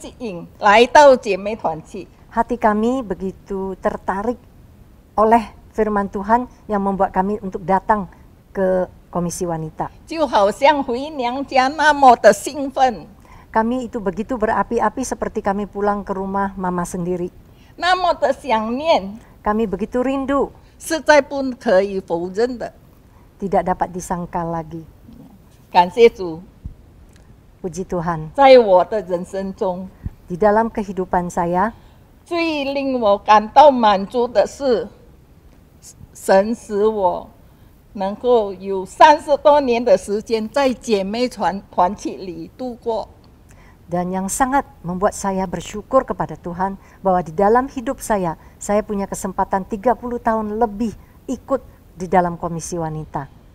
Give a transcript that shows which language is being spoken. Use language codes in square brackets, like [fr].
[zh] 我们的心被主的爱吸引，来到姐妹团契. [id] Hati kami begitu tertarik oleh firman Tuhan yang membuat kami untuk datang ke komisi wanita. [zh] 就好像回娘家那么的兴奋. [id] Kami itu begitu berapi-api seperti kami pulang ke rumah mama sendiri. [zh] 那么的想念. [id] Kami begitu rindu. [zh] 实在不可以否认的. [id] Tidak dapat disangkal lagi. [zh] 感谢主. [id] Puji Tuhan. [zh] 在我的人生中, [id] di dalam kehidupan saya, [zh] 最令我感到满足的是, 神使我能够有30多年的时间在姐妹团契里度过. [id] Dan yang sangat membuat saya bersyukur kepada Tuhan, bahwa di dalam hidup saya, saya punya kesempatan 30 tahun lebih ikut di dalam komisi wanita.